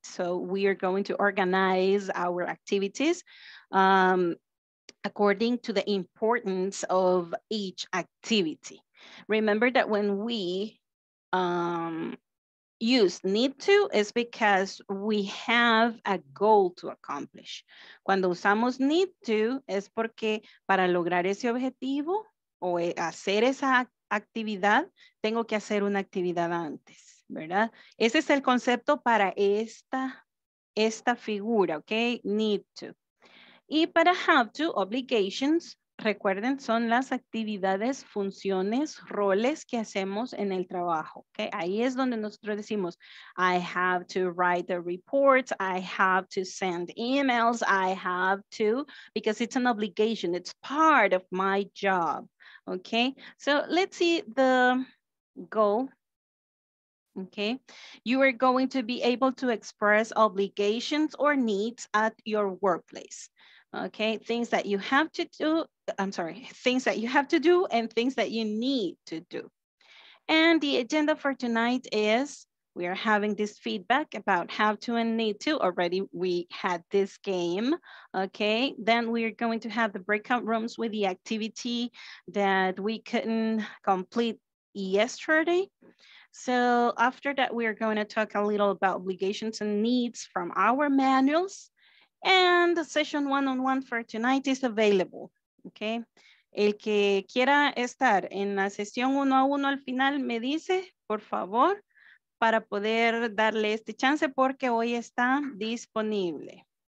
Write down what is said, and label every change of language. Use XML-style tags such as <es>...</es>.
<en>So we are going to organize our activities according to the importance of each activity. Remember that when we use need to is because we have a goal to accomplish.</en> <es>Cuando usamos need to es porque para lograr ese objetivo o hacer esa actividad, tengo que hacer una actividad antes. ¿Verdad? Ese es el concepto para esta figura, ¿ok? Need to. Y para have to, obligations, recuerden, son las actividades, funciones, roles que hacemos en el trabajo, ¿ok? Ahí es donde nosotros decimos,</es> <en>I have to write the reports, I have to send emails, I have to, because it's an obligation, it's part of my job, ¿ok? So let's see the goal. Okay, you are going to be able to express obligations or needs at your workplace. Okay, things that you have to do, I'm sorry, things that you have to do and things that you need to do. And the agenda for tonight is We are having this feedback about have to and need to. Already we had this game, okay? Then we are going to have the breakout rooms with the activity that we couldn't complete yesterday. So after that, we are going to talk a little about obligations and needs from our manuals. And the session one-on-one for tonight is available, okay?</en> <es>El que quiera estar en la sesión uno a uno al final, me dice, por favor, para poder darle este chance porque hoy está disponible.</es>